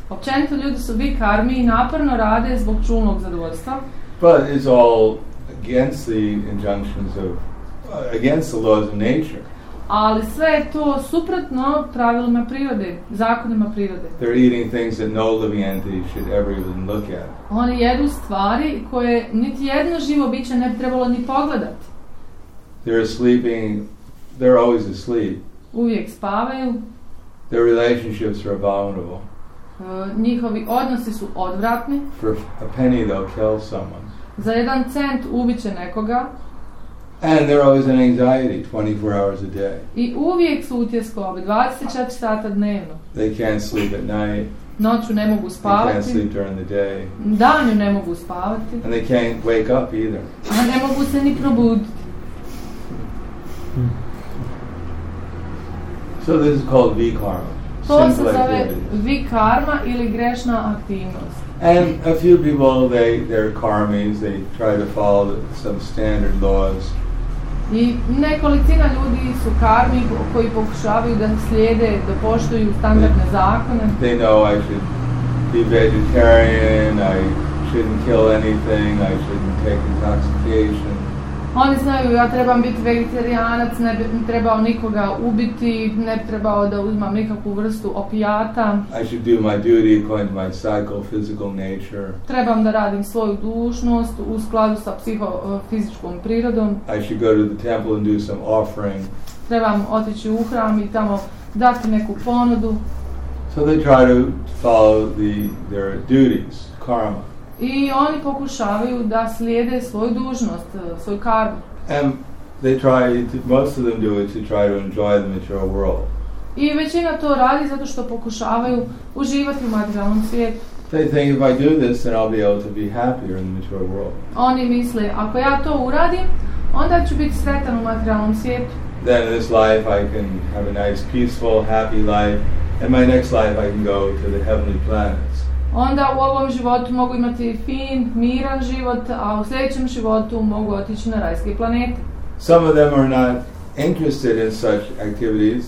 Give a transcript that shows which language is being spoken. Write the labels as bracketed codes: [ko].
[hr] Općenito ljudi su vikarmi i naporno rade zbog čulnog zadovoljstva. [en] But it's all against the injunctions of, against the laws of nature. [hr] Ali sve je to suprotno pravilima prirode, zakonima prirode. [en] They're eating things that no living entity should ever even look at. [hr] Oni jedu stvari koje niti jedno živo biće ne bi trebalo ni pogledati. [en] They're sleeping, they're always asleep. [hr] Uvijek spavaju. [en] Their relationships are vulnerable. [hr] Njihovi odnosi su odvratni. [en] For a penny they'll kill someone. [hr] Za jedan cent ubit će nekoga. [en] And they're always in anxiety 24 hours a day. [hr] I uvijek su u tjeskobi 24 sata dnevno. [en] They can't sleep at night. [hr] Noću ne mogu spavati. [en] They can't sleep during the day. [hr] Danju ne mogu spavati. [en] And they can't wake up either. [hr] A ne mogu se ni probuditi. [en] So this is called vikarma. [hr] To se zove vikarma ili grešna aktivnost. [en] And a few people, they're karmis, they try to follow some standard laws. [hr] I nekolicina ljudi su karmi koji pokušavaju da slijede, da poštuju standardne zakone. [en] They know I should be vegetarian, I shouldn't kill anything, I shouldn't take intoxication. [hr] Oni znaju, ja trebam biti vegetarijanac, ne bi trebao nikoga ubiti, ne bi trebao da uzmam nikakvu vrstu opijata. [en] I should do my duty according to my psychophysical nature. [hr] Trebam da radim svoju dužnost u skladu sa psihofizičkom prirodom. [en] I should go to the temple and do some offering. [hr] Trebam otići u hram i tamo dati neku ponudu. [en] So they try to follow their duties, karma. [hr] I oni pokušavaju da slijede svoju dužnost, svoju karmu. [en] And they try to, most of them do it to try to enjoy the material world. [hr] I većina to radi zato što pokušavaju uživati u materijalnom svijetu. [en] They think if I do this, then I'll be able to be happier in the material world. [hr] Oni misle, ako ja to uradim, Onda ću biti sretan u materijalnom svijetu. [en] Then in this life I can have a nice, peaceful, happy life. In my next life I can go to the heavenly planets. [hr] Onda u ovom životu mogu imati fin, miran život, a u sljedećem životu mogu otići na rajske planete. [en] Some of them are not interested in such activities.